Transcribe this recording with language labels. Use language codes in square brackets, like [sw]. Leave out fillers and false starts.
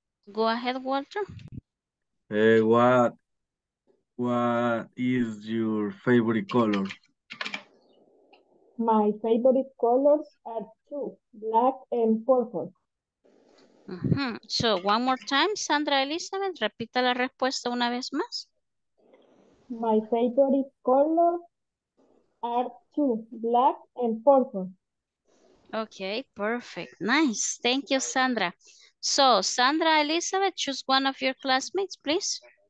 [en] Go ahead, Walter. What is your favorite color? My favorite colors are two, black and purple. Mm-hmm. So, one more time, Sandra Elizabeth, [es] repita la respuesta una vez más. [en] My favorite colors are two, black and purple. Okay, perfect. Nice. Thank you, Sandra. So, Sandra Elizabeth, choose one of your classmates, please.